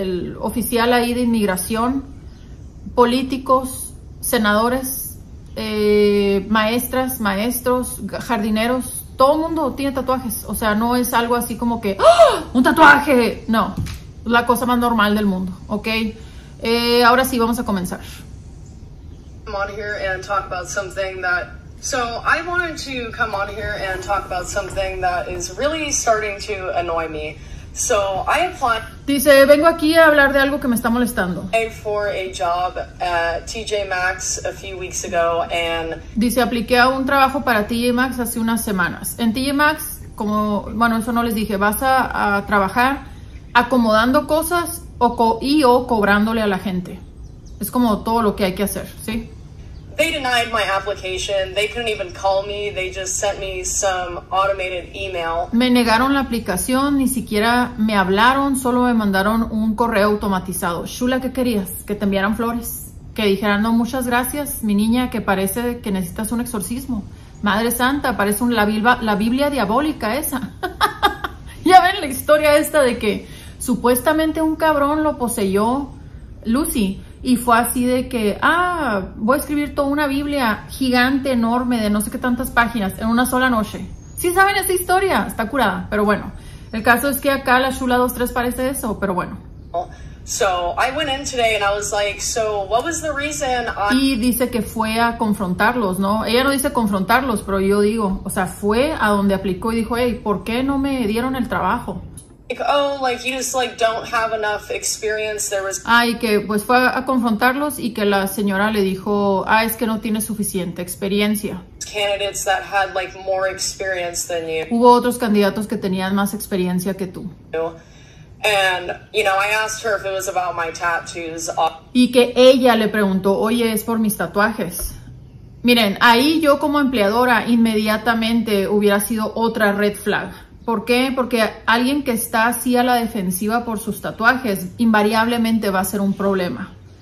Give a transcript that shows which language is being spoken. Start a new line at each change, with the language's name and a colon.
Spanish: El oficial ahí de inmigración, políticos, senadores, maestras, maestros, jardineros, todo el mundo tiene tatuajes. O sea, no es algo así como que ¡oh, un tatuaje! No, la cosa más normal del mundo, ¿ok? Ahora sí, vamos a comenzar.
English: I'm on here and talk about something that... So, I wanted to come on here and talk about something that is really starting to annoy me. So, I applied...
Spanish: Dice, vengo aquí a hablar de algo que me está molestando.
English: For a job at TJ Maxx a few weeks ago and...
Spanish: Dice, apliqué a un trabajo para TJ Maxx hace unas semanas. En TJ Maxx, como... Bueno, eso no les dije. Vas a trabajar acomodando cosas o cobrándole a la gente. Es como todo lo que hay que hacer, ¿sí?
English: They denied my application. They couldn't even call me. They just sent me some automated email.
Spanish: Me negaron la aplicación, ni siquiera me hablaron, solo me mandaron un correo automatizado. Shula, ¿qué querías? Que te enviaran flores. Que dijeran, no, muchas gracias, mi niña, que parece que necesitas un exorcismo. Madre Santa, parece la Biblia diabólica esa. Ya ven la historia esta de que supuestamente un cabrón lo poseyó Lucy. Y fue así de que, voy a escribir toda una Biblia gigante, enorme, de no sé qué tantas páginas, en una sola noche. ¿Sí saben esta historia? Está curada, pero bueno. El caso es que acá la Shula 2-3 parece eso, pero bueno.
English: So, I went in today and I was like, so, what was the reason I...
Spanish: Y dice que fue a confrontarlos, ¿no? Ella no dice confrontarlos, pero yo digo, o sea, fue a donde aplicó y dijo, hey, ¿por qué no me dieron el trabajo?
English: Like, oh, like, you just, like, don't have enough experience. There was...
Spanish: Ah, y que, pues, fue a confrontarlos y que la señora le dijo, ah, es que no tienes suficiente experiencia.
English: Candidates that had, like, more experience than you.
Spanish: Hubo otros candidatos que tenían más experiencia que tú.
English: And, you know, I asked her if it was about my tattoos.
Spanish: Y que ella le preguntó, oye, es por mis tatuajes. Miren, ahí yo como empleadora inmediatamente hubiera sido otra red flag. ¿Por qué? Porque alguien que está así a la defensiva por sus tatuajes invariablemente va a ser un problema.